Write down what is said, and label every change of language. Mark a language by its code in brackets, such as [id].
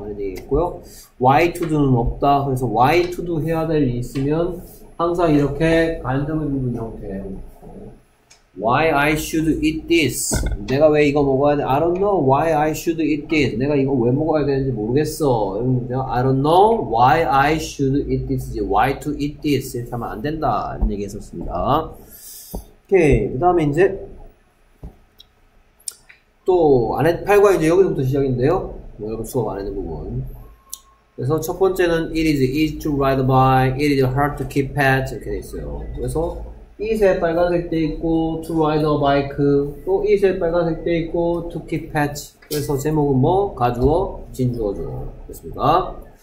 [ko] 그런 얘기했고요. [en] Why to do [ko] 는 없다. 그래서 [en] why to do [ko] 해야 될 일이 있으면 항상 이렇게 간접 의문문 형태. [en] Why I should eat this? [ko] 내가 왜 이거 먹어야 돼? [en] I don't know why I should eat this. [ko] 내가 이거 왜 먹어야 되는지 모르겠어. 이런 문제야. [en] I don't know why I should eat this. Why to eat this? [ko] 이렇게 하면 안 된다. 이런 얘기 했었습니다. 오케이. 그 다음에 이제 또 안에 8과 이제 여기서부터 시작인데요. 뭐 여러분 수업 안 하는 부분. 그래서 첫 번째는 [en] It is easy to ride by. It is hard to keep pet. [ko] 이렇게 돼 있어요. 그래서 이세 빨간색 돼 있고 [en] to ride a bike [ko] 또 이세 빨간색 돼 있고 [en] to keep pets [ko] 그래서 제목은 뭐 가주어 진주어죠 됐습니까?